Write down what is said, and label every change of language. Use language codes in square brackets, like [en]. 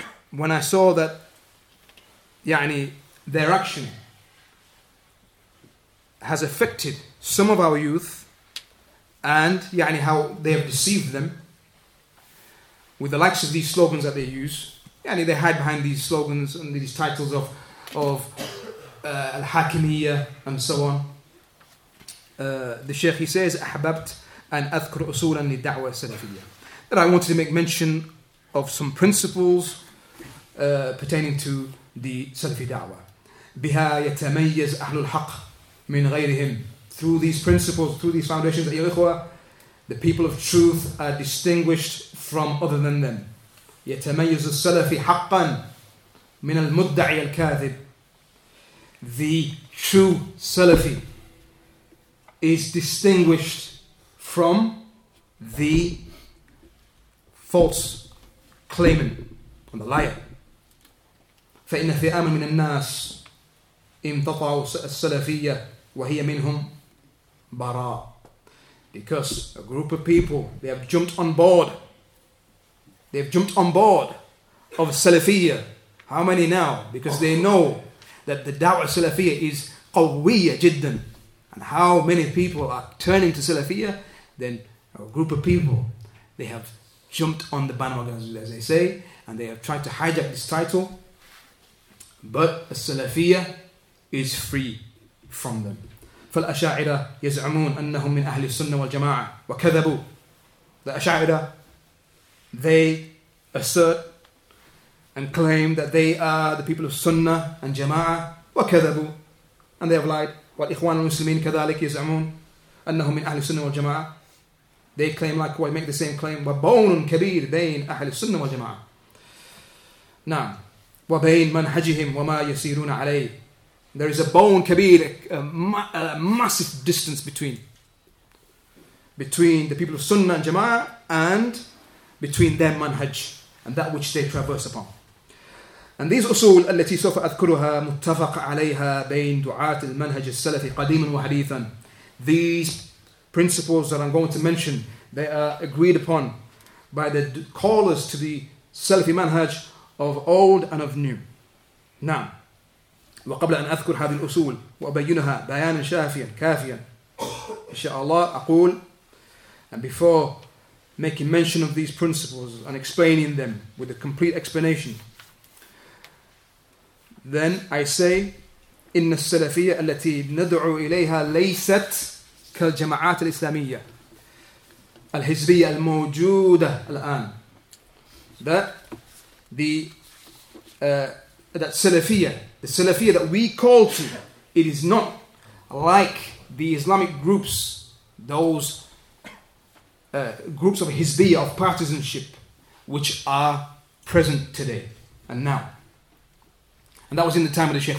[en] when I saw that يعني, their action has affected some of our youth and يعني, how they have deceived them with the likes of these slogans that they use, يعني, they hide behind these slogans and these titles of Al-Hakimiyya and so on. The Shaykh, he says, [ar] أحببت أن أذكر أصولا للدعوة السلفية. [en] That I wanted to make mention of some principles pertaining to the Salafi da'wah. [ar] بها يتميز أهل الحق من غيرهم. [en] Through these principles, through these foundations, [ar] أيها الإخوة, [en] the people of truth are distinguished from other than them. [ar] يتميز السلفي حقا من المدعي الكاذب. [en] The true Salafi is distinguished from the false claimant and the liar. [ar] فإن ثيام من الناس امتطعوا السلفية وهي منهم براء. [en] Because a group of people, they have jumped on board. They have jumped on board of السلفية. How many now? Because they know that the دعوة السلفية is [ar] قوية جدا. [en] And how many people are turning to Salafiyya? Then a group of people, they have jumped on the bandwagon, as they say, and they have tried to hijack this title. But Salafiyya is free from them. [ar] فالأشاعرة يزعمون أنهم من أهل السنة والجماعة وكذبوا. [en] The Ash'a'ira, they assert and claim that they are the people of Sunnah and Jama'ah, [ar] وكذبوا, [en] and they have lied. [ar] وَالْإِخْوَانُ الْمُسْلِمِينَ كَذَلِكَ يَزْعُمُونَ أَنَّهُمْ مِنْ أَهْلِ السُّنَّةِ وَالْجَمَاعَةِ. [en] They claim like, well, make the same claim. [ar] وَبَوْنٌ كَبِيرٌ بَيْنْ أَهْلِ السُّنَّةِ وَالْجَمَاعَةِ. نعم. وَبَيْنْ مَنْحَجِهِمْ وَمَا يَسِيرُونَ عَلَيْهِ. [en] There is a bone kabir, a massive distance between the people of Sunnah and Jama'ah and between their manhaj and that which they traverse upon. And these usul [ar] التي سوف أذكرها متفق عليها بين دعاة المنهج السلفي قديما وحديثا. [en] These principles that I'm going to mention, they are agreed upon by the callers to the Salafi manhaj of old and of new. [ar] Now, وقبل أن أذكر هذه الأصول وأبينها بيانا شافيا كافيا إن شاء الله أقول, [en] and before making mention of these principles and explaining them with a complete explanation, then I say [ar] إن السلفية التي ندعو إليها ليست كالجماعات الإسلامية الحزبية الموجودة الآن. [en] That Salafiyya, the Salafiyya that we call to, it is not like the Islamic groups, those groups of Hizbiyya, of partisanship, which are present today and now. And that was in the time of the Sheikh.